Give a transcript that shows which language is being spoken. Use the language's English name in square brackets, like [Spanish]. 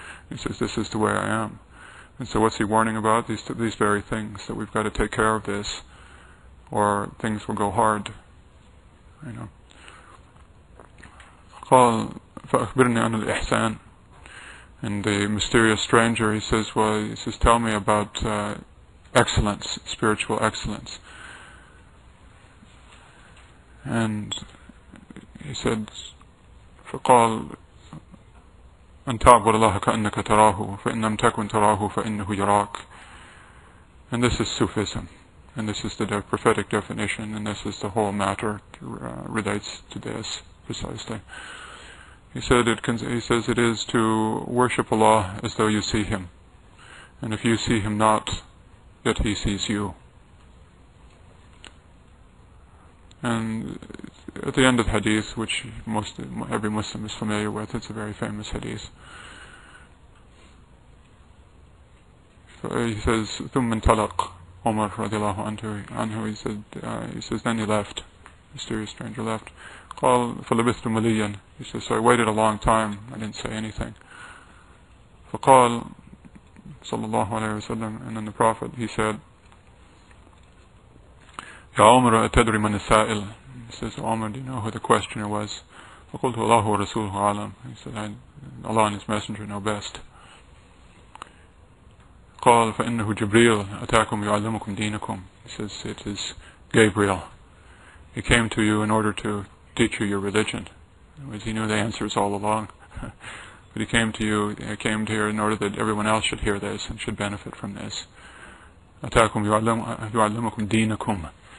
[English] He says, this is the way I am. And so what's he warning about? These very things, that we've got to take care of this, or things will go hard. You know. [Arabic] قال فأخبرني عن الإحسان. [English] And the mysterious stranger, he says, tell me about excellence, spiritual excellence. And he said, [Arabic] فقال أن تعبد الله كأنك تراه فإن لم تكن تراه فإنه يراك. [English] And this is Sufism. And this is the prophetic definition, and this is the whole matter relates to this precisely. He says it is to worship Allah as though you see Him. And if you see Him not, yet He sees you. And at the end of hadith, which every Muslim is familiar with, it's a very famous hadith. So he says, [Arabic] ثم انطلق عمر رضي الله عنه. [English] He says, then he left. Mysterious stranger left. [Arabic] قال فلبثت مليا. [English] He says, so I waited a long time. I didn't say anything. [Arabic] فقال صلى الله عليه وسلم. [English] And then the Prophet, he said, [Arabic] يا عمر أتدري من السائل. [English] He says, Umar, do you know who the questioner was? [Arabic] فقلت الله ورسوله عالم. [English] He said, Allah and His Messenger know best. [Arabic] قال فإنه جبريل أتاكم يعلمكم دينكم. [English] He says, it is Gabriel. He came to you in order to teach you your religion. In other words, he knew the answers all along. But he came here in order that everyone else should hear this and should benefit from this. [Arabic] أتاكم يعلمكم دينكم.